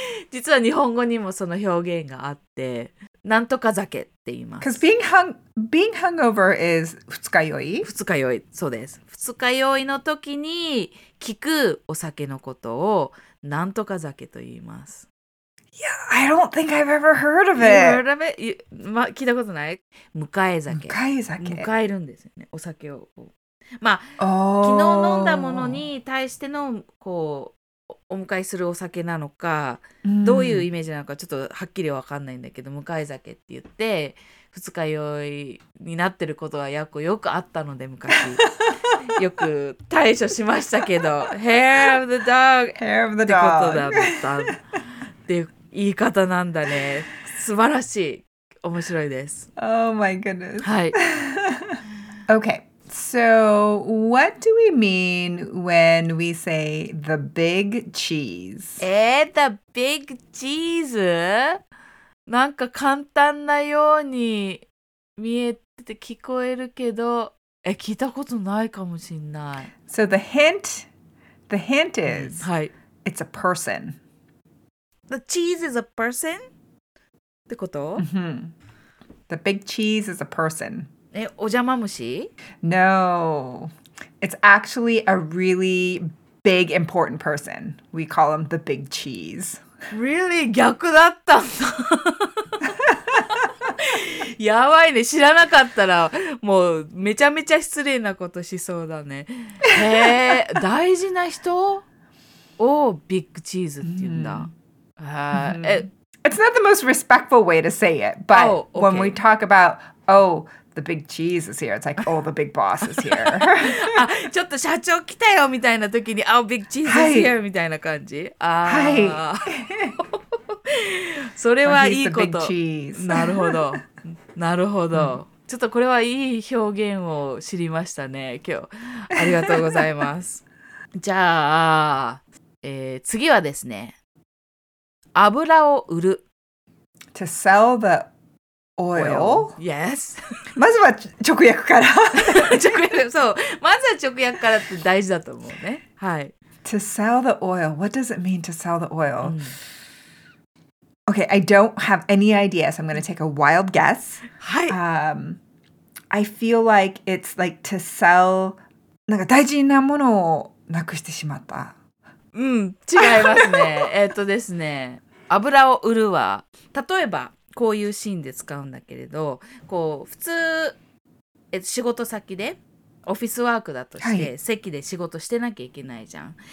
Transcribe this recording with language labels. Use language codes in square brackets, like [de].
[ja] 実は日本語にもその表現があって、なんとか酒って言います。 [en] Because being hungover is 二日酔い。 [ja] そうです。二日酔いの時に聞くお酒のことをなんとか酒と言います。 [en] Yeah, I don't think I've ever heard of it. You heard of it? [ja] ま、聞いたことない?迎え酒。迎え酒。迎えるんですよね、お酒を。まあ、昨日飲んだものに対してのこうお迎えするお酒なのか、どういうイメージなのかちょっとはっきりわかんないんだけど、迎え酒って言って二日酔いになってることはよくあったので、昔よく対処しましたけど、 [en] Hair of the dog! Hair of the dog! [ja] ってことだった。っていう言い方なんだね。素晴らしい。面白いです。 [en] Oh my goodness. [ja] はい。 [en] Okay. So, what do we mean when we say the big cheese? The big cheese? [ja] なんか簡単なように見えて聞こえるけど、聞いたことないかもしんない。 [en] So, the hint is, [ja] はい、 [en] it's a person. The cheese is a person? [ja] ってこと? [en] Mm-hmm. The big cheese is a person. [ja] え、お邪魔虫? [en] No. It's actually a really big important person. We call him the big cheese. [ja] Really? 逆だったんだ。やばいね。知らなかったら、もうめちゃめちゃ失礼なことしそうだね。大事な人をビッグチーズって言うんだ。 Mm-hmm. [en] It's not the most respectful way to say it, but oh, okay. when we talk about, oh, the big cheese is here, it's like, oh, the big boss is here. [ja] ちょっと社長来たよみたいな時に、 [en] oh, big cheese is here [ja] みたいな感じ。はい。それはいいこと。 [en] Well, he's the big cheese. [ja] なるほど。なるほど。ちょっとこれはいい表現を知りましたね、今日。ありがとうございます。じゃあ、次はですね。油を売る。 [en] To sell the oil? Yes. [ja] まずは直訳から。そう。まずは直訳からって大事だと思うね。はい。 [en] To sell the oil. What does it mean to sell the oil?、うん、okay, I don't have any idea, so I'm going to take a wild guess. [ja] はい。 [en] I feel like it's like to sell... [ja] なんか大事なものをなくしてしまった。うん、違いますね。ですね、油を売るは、例えばこういうシーンで使うんだけれど、こう普通、仕事先でオフィスワークだとして、はい、席で仕事してなきゃいけないじゃん。